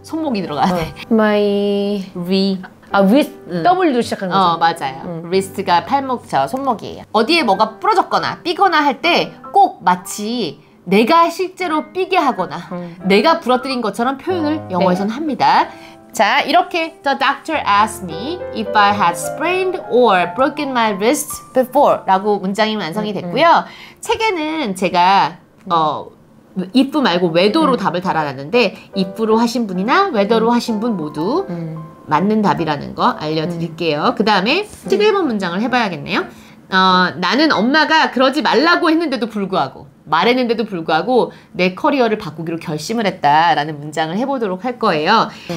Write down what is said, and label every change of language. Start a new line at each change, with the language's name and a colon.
Korean: 손목이 들어가야 돼. My. Re. 아, wrist, W로 시작한 거죠? 맞아요. wrist가 팔목, 저 손목이에요. 어디에 뭐가 부러졌거나 삐거나 할 때 꼭 마치 내가 실제로 삐게 하거나 내가 부러뜨린 것처럼 표현을 영어에서는 합니다. 자, 이렇게
English: The doctor asked me if I had sprained or broken my wrist before
Korean: 라고 문장이 완성이 됐고요. 책에는 제가 if 말고 whether로 답을 달아놨는데 if로 하신 분이나 whether로 하신 분 모두 맞는 답이라는 거 알려드릴게요. 그 다음에 7번 문장을 해봐야겠네요. 나는 엄마가 그러지 말라고 했는데도 불구하고 말했는데도 불구하고 내 커리어를 바꾸기로 결심을 했다라는 문장을 해보도록 할 거예요.